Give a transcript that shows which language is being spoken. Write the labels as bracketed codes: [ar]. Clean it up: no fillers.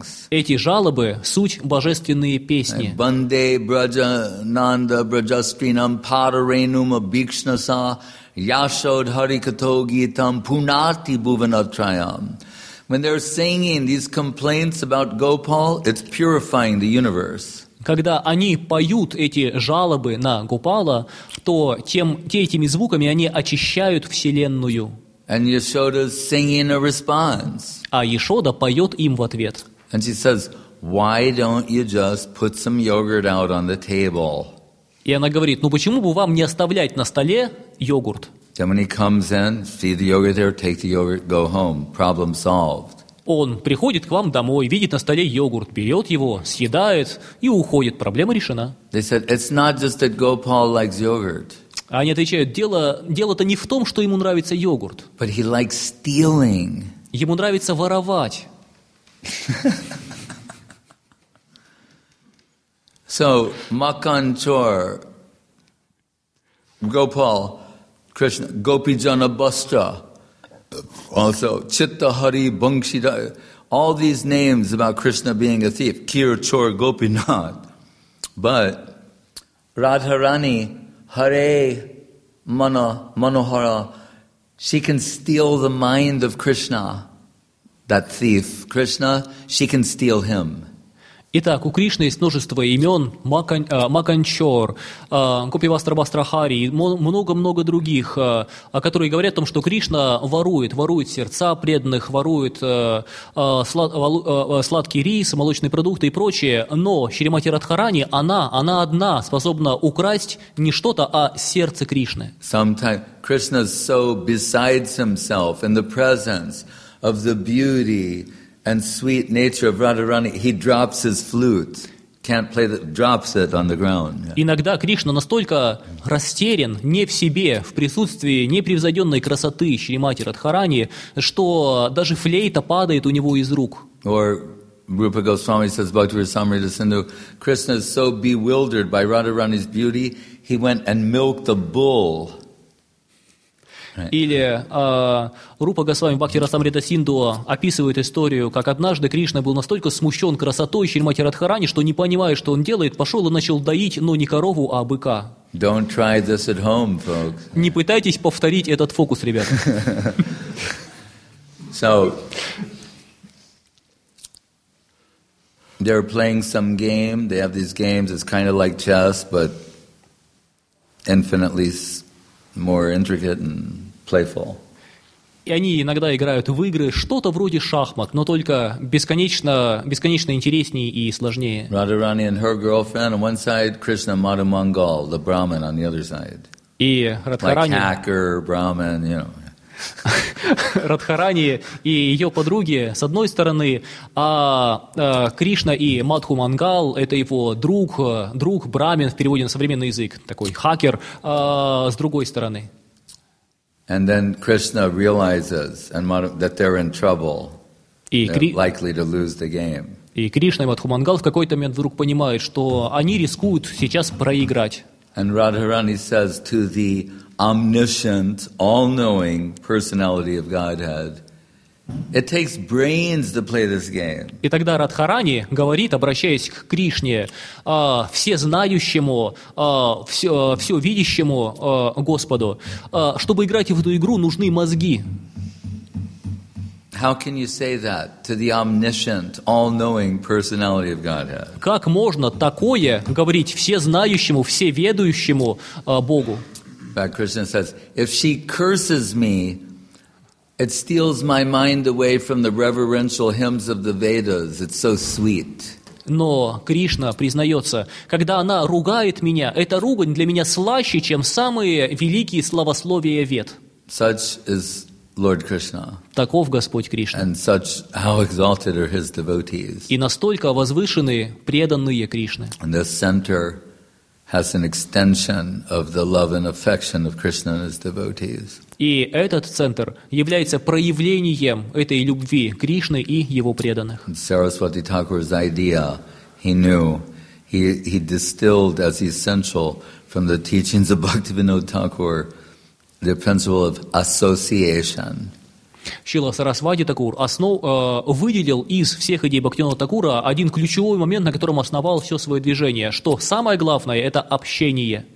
[ru] Эти жалобы – суть божественные песни. [sa] Банде Браджа Нанда Браджастринам Парарейнум Абикшнаса Яшод Харикатоги Там Пунати Бувенатраям. [en] When they're singing these complaints about Gopal, it's purifying the universe. [ru] Когда они поют эти жалобы на Гопала, то этими звуками они очищают Вселенную. [en] And Yashoda's singing a response. [ru] А Яшода поет им в ответ. [en] And she says, why don't you just put some yogurt out on the table? [ru] И она говорит, ну почему бы вам не оставлять на столе йогурт? [en] Then when he comes in, see the yogurt there, take the yogurt, go home. Problem solved. [ru] Он приходит к вам домой, видит на столе йогурт, берет его, съедает и уходит. Проблема решена. [en] They said, it's not just that Gopal likes yogurt. [ru] Они отвечают, дело-то не в том, что ему нравится йогурт. [en] But he likes stealing. [ru] Ему нравится воровать. [en] So, Makanchor, Gopal, Krishna, Gopijana Bastra. Also, Chitta Hari Bhangshida, all these names about Krishna being a thief, Kir Chor Gopinath. But Radharani, Hare Mana Manohara, she can steal the mind of Krishna, that thief. Krishna, she can steal him. [ru] Итак, у Кришны есть множество имен, Маканчор, Гопивастра Бастрахари и много-много других, которые говорят о том, что Кришна ворует сердца преданных, ворует сладкий рис, молочные продукты и прочее, но Шримати Радхарани, она одна способна украсть не что-то, а сердце Кришны. [en] Sometimes Krishna is so besides himself in the presence of the beauty and sweet nature of Radharani, he drops his flute, can't play the, drops it on the ground. [ru] Иногда Кришна настолько растерян, не в себе, в присутствии непревзойденной красоты Шримати Радхарани, что даже флейта падает у него из рук. [en] Or Rupa Goswami says, Bhakti Rasamrita Sindhu, Krishna is so bewildered by Radharani's beauty, he went and milked a bull. Right. [ru] Или Рупа Госвами Бхакти Расамрита Синду описывает историю, как однажды Кришна был настолько смущен красотой Шримати Радхарани, что не понимая, что он делает, пошел и начал доить, но не корову, а быка. [en] Don't try this at home, folks. [ru] Не пытайтесь повторить этот фокус, ребят. [en] So, they're playing some game. They have these games. It's kind of like chess, but infinitely more intricate and playful. [ru] И они иногда играют в игры, что-то вроде шахмат, но только бесконечно интереснее и сложнее. [en] Radharani and her girlfriend on one side, Krishna Madhumangal, the Brahmin on the other side. [ru] И Радхарани. [en] Like hacker, Brahmin, you know. [ru] Радхарани и ее подруги с одной стороны, а Кришна и Мадхумангал – это его друг, брамин в переводе на современный язык, такой хакер, с другой стороны. [en] And then Krishna realizes that they're in trouble, they're likely to lose the game. [ru] И Кришна и Мадхумангал в какой-то момент вдруг понимают, что они рискуют сейчас проиграть. [en] And Radharani says to the omniscient, all-knowing personality of Godhead, it takes brains to play this game. [ru] И тогда Радхарани говорит, обращаясь к Кришне, всезнающему, всевидящему Господу, чтобы играть в эту игру, нужны мозги. [en] How can you say that to the omniscient, all-knowing personality of Godhead? [ru] Как можно такое говорить всезнающему, всеведущему Богу? [en] But Krishna says, if she curses me, it steals my mind away from the reverential hymns of the Vedas. It's so sweet. [ru] Но Кришна признается, когда она ругает меня, эта ругань для меня слаще, чем самые великие словословия Вед. [en] Such is Lord Krishna. [ru] Таков Господь Кришна. [en] And such, how exalted are his devotees. [ru] И настолько возвышены преданные Кришны. [en] And this center has an extension of the love and affection of Krishna and his devotees. [ru] И этот центр является проявлением этой любви Кришны и его преданных. [en] Saraswati Thakur's idea, he knew, he distilled as essential from the teachings of Bhaktivinoda Thakur the principle of association. [ru] Шрила Сарасвати Такур выделил из всех идей Бхактивинода Такура один ключевой момент, на котором основал все свое движение, что самое главное – это общение.